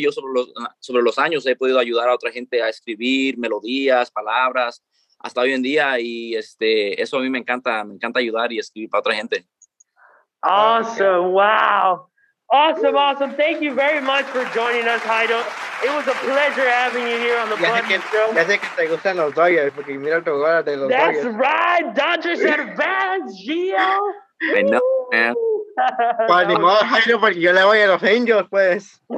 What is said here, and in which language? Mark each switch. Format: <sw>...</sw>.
<es>Yo sobre los años he podido ayudar a otra gente a escribir melodías, palabras, hasta hoy en día, y eso a mí me encanta ayudar y escribir para otra gente.</es> <en>Awesome, wow. Awesome, awesome. Thank you very much for joining us, Jairo. It was a pleasure having you here on the show.</en> <es>Ya sé que te gustan los Dodgers, porque mira tu jugada de los</es> <en>That's</en> <es>Dodgers.</es> <en>That's right, Dodgers Advance, Gio.</en> <es>Bueno,</es> <en>man.</en> <es>Pues ni modo, Jairo, porque yo le voy a los Angels, pues.</es>